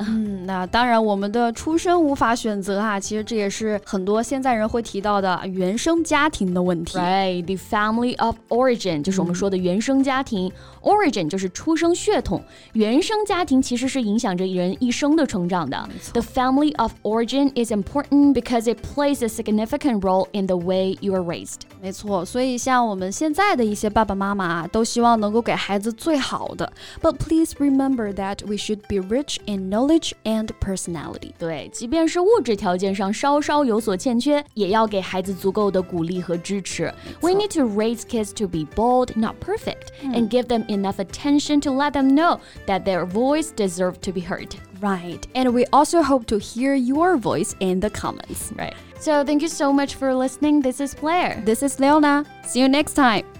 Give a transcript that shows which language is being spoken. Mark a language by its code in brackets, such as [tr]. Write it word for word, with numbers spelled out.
[zh] 嗯，那当然我们的出身无法选择啊，其实这也是很多现在人会提到的原生家庭的问题。 [en] Right, the family of origin [zh] 就是我们说的原生家庭、嗯、origin 就是出生血统，原生家庭其实是影响着人一生的成长的。 [en] The family of origin is important because it plays a significant role in the way you are raised. [zh] 没错，所以像我们现在的一些爸爸妈妈、啊、都希望能够给孩子最好的。 [en] But please remember that we should be rich in knowledge and personality. [zh] 对，即便是物质条件上稍稍有所欠缺，也要给孩子足够的鼓励和支持。 [en] We need to raise kids to be bold, not perfect, and give them enough attention to let them know that their voice deserves to be heard. Right, and we also hope to hear your voice in the comments. Right. So thank you so much for listening. This is Blair. This is Leona. See you next time.